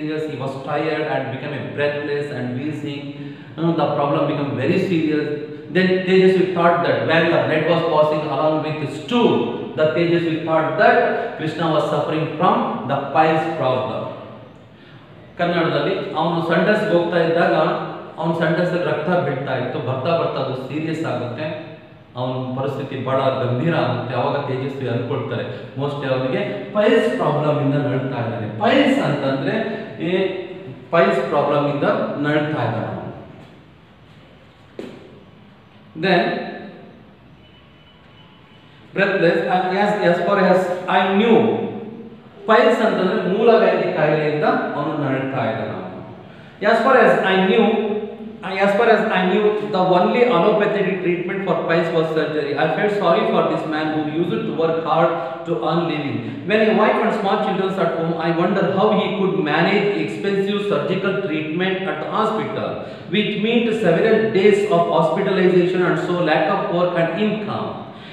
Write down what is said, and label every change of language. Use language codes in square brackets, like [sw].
[en] He was tired and became breathless and wheezing. The problem became very serious. Then Tejasvi thought that when the blood was passing along with the stool, the Tejasvi thought that Krishna was suffering from the piles problem. [kn] ಕನ್ನಡದಲ್ಲಿ ಅವನು ಸಂಡಸ್ ಹೋಗ್ತಾ ಇದ್ದಾಗ ಅವನ ಸಂಡಸಲ್ಲಿ ರಕ್ತ ಬಿಡ್ತಾ ಇತ್ತು, ಬರ್ತಾ ಬರ್ತಾ ಅದು ಸೀರಿಯಸ್ ಆಗುತ್ತೆ, ಅವನ ಪರಿಸ್ಥಿತಿ ಬಹಳ ಗಂಭೀರ ಆಗುತ್ತೆ. ಅವಾಗ ತೇಜಸ್ವಿ ಅಂದ್ಕೊಳ್ತಾರೆ ಮೋಸ್ಟ್ಲಿ ಅವನಿಗೆ ಪೈಲ್ಸ್ ಪ್ರಾಬ್ಲಮಿಂದ ನಡ್ತಾ ಇದ್ದಾನೆ. ಪೈಲ್ಸ್ ಅಂತಂದರೆ ಈ ಪೈಲ್ಸ್ ಪ್ರಾಬ್ಲಮಿಂದ ನಡ್ತಾ ಇದ್ದಾನೆ. [en] then breathless as far as I knew [kn] piles ಅಂತಂದರೆ ಮೂಲವ್ಯಾಧಿ ಕಾಯಿಲೆಯಿಂದ ಅವನು ನಡ್ತಾ ಇದ್ದಾನೆ. [en] As far as I knew, I as far as I knew, the only allopathic treatment for pains was surgery. I felt sorry for this man who used to work hard to earn living. When his wife and small children at home, I wondered how he could manage expensive surgical treatment at the hospital, which meant several days of hospitalization and so lack of work and income.